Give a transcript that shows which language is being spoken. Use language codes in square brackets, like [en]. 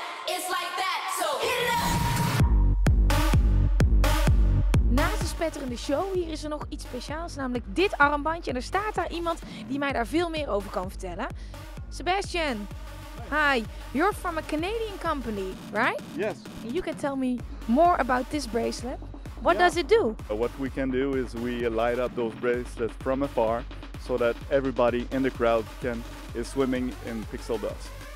[en] It's like that, so hit it up! [nl] Spetterende show. Hier is er nog iets speciaals, namelijk dit armbandje. En er staat daar iemand die mij daar veel meer over kan vertellen. [en] Sebastian, hi. You're from a Canadian company, right? Yes. And you can tell me more about this bracelet. What does it do? What we can do is we light up those bracelets from afar, so that everybody in the crowd is swimming in pixel dots.